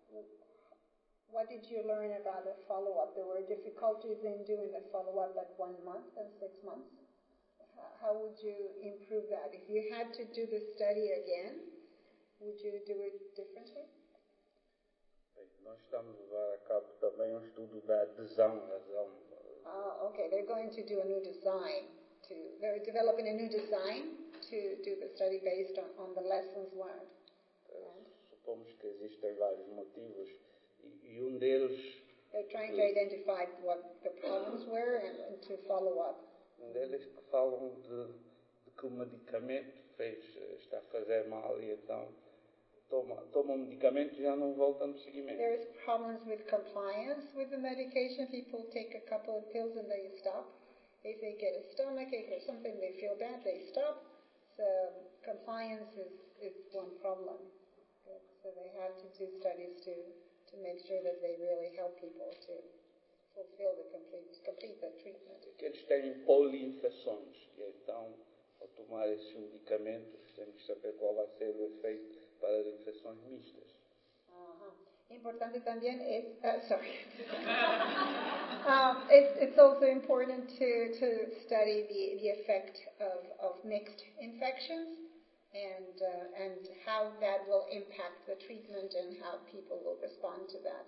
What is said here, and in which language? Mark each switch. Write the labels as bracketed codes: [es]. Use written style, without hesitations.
[en] Mm-hmm. What did you learn about the follow-up? There were difficulties in doing the follow-up at 1 month and 6 months. How would you improve that? If you had to do the study again, would you do it differently? [pt] Nós estamos levar a cabo também estudo da adesão. [en] Ah, okay. They're going to do a new design. They're developing a new design to do the study based on the lessons learned. [pt] Supomos que existem vários motivos e um deles. [en] They're trying to identify what the problems were and to follow up. [pt] Um deles que falam de que o medicamento está a fazer mal e então toma um medicamento e já não volta no seguimento. [en] There's problems with compliance with the medication. People take a couple of pills and they stop. If they get a stomachache or something, they feel bad, they stop. So compliance is one problem. Good. So they have to do studies to make sure that they really help people to fulfill the complete the treatment. [pt] Aqueles têm poliinfecções, que então, ao tomar esses medicamentos, temos que saber qual vai ser o efeito para as infecções mistas. [es] Importante también es, [en] it's also important to study the effect of mixed infections and how that will impact the treatment and how people will respond to that.